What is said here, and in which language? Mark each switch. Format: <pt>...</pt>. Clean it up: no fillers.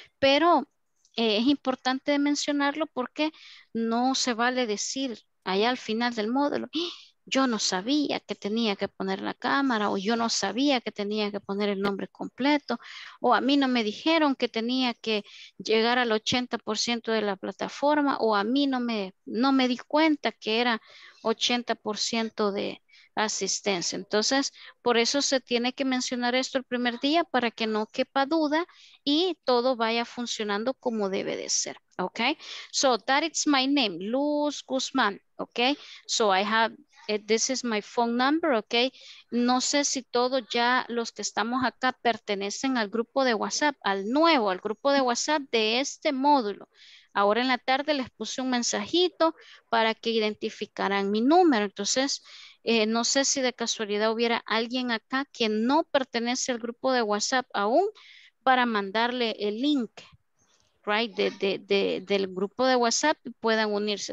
<es>Pero es importante mencionarlo porque no se vale decir allá al final del módulo, yo no sabía que tenía que poner la cámara o yo no sabía que tenía que poner el nombre completo o a mí no me dijeron que tenía que llegar al 80% de la plataforma o a mí no me di cuenta que era 80% de, asistencia. Entonces, por eso se tiene que mencionar esto el primer día para que no quepa duda y todo vaya funcionando como debe de ser.</es> <en>Okay, so that is my name, Luz Guzmán. Okay, so I have, this is my phone number.</en> <es>Okay, no sé si todos ya los que estamos acá pertenecen al grupo de WhatsApp, al nuevo, al grupo de WhatsApp de este módulo. Ahora en la tarde les puse un mensajito para que identificaran mi número. Entonces, no sé si de casualidad hubiera alguien acá que no pertenece al grupo de WhatsApp aún para mandarle el link, right, del grupo de WhatsApp y puedan unirse.</es>